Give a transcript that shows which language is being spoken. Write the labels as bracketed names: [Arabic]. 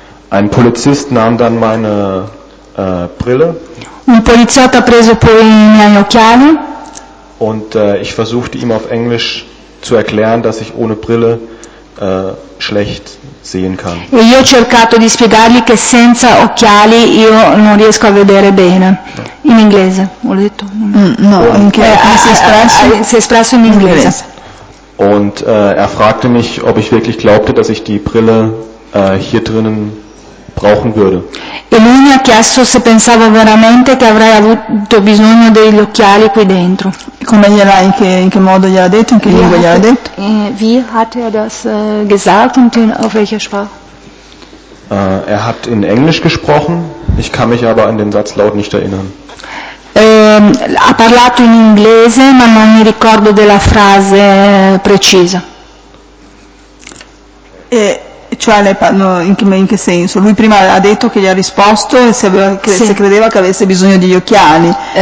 [German] Ein Polizist nahm dann meine Brille. [Italian] Un poliziotto ha preso poi i miei occhiali. [German] Und ich versuchte ihm auf Englisch zu erklären, dass ich ohne Brille schlecht sehen kann. [Italian] E io ho cercato di spiegargli che senza occhiali io non riesco a vedere bene. In inglese, ho detto. No, si è espresso in inglese. [German] Und fragte mich, ob ich wirklich glaubte, dass ich die Brille hier drinnen brauchen würde. [Italian] E lui mi ha chiesto se pensavo veramente che avrei avuto bisogno degli occhiali qui dentro. Come gliela, in che modo gliela detto, in che lingua gliela detto? [German] Wie hat das gesagt und auf welcher Sprache? Hat in Englisch gesprochen, ich kann mich aber an den Satzlaut nicht erinnern. [Italian] Ha parlato in inglese, ma non mi ricordo della frase precisa. Cioè, in che senso? Lui prima ha detto che gli ha risposto e se credeva che avesse bisogno degli occhiali.